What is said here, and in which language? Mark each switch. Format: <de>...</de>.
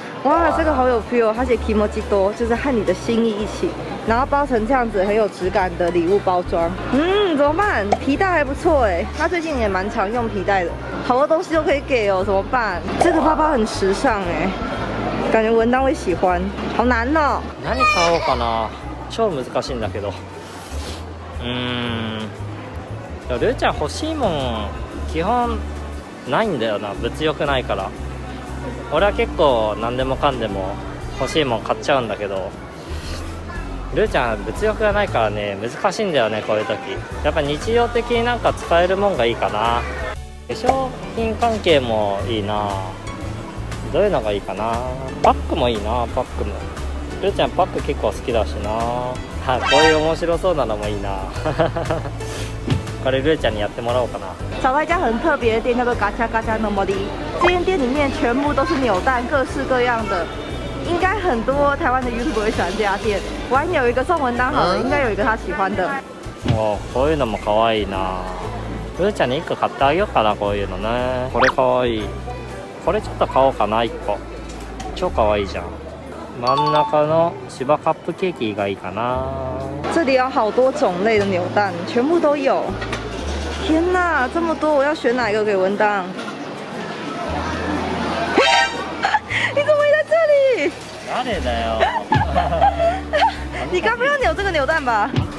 <zh>哇，这个好有 feel， 它写 kimochi do， 就是和你的心意一起，然后包成这样子很有质感的礼物包装。嗯，怎么办？皮带还不错哎，他最近也蛮常用皮带的，好多东西都可以给哦，怎么办？这个包包很时尚哎，感觉文当会喜欢。好难哦。</zh> <ja>何買おうかな、超難しいんだけど。ルーちゃん欲しいもん基本ないんだよな、物欲ないから。俺は結構何でもかんでも欲しいもん買っちゃうんだけど、ルーちゃん物欲がないからね、難しいんだよねこういう時。やっぱ日常的になんか使えるもんがいいかな。化粧品関係もいいな、どういうのがいいかな。パックもいいな、パックも。ルーちゃんパック結構好きだしな、はこういう面白そうなのもいいな。これルーちゃんにやってもらおうかな。</ja> <zh>找到一家很特别的店，叫做ガチャガチャのモリ。这间店里面全部都是扭蛋，各式各样的。应该很多台湾的 YouTuber 会喜欢这家店。我还有一个送文当好了，应该有一个他喜欢的。</zh> <ja>哦，こういうのも可愛いな。ルーちゃんに一個買ってあげようかな、こういうのね。これ可愛い。これちょっと買おうかな、一個。超可愛いじゃん。真ん中の芝カップケーキがいいかな。</ja> <zh>这里有好多种类的扭蛋，全部都有。天哪，这么多，我要选哪一个给文当？你怎么也在这里？哪里的哟？你刚不要扭这个扭蛋吧？</zh>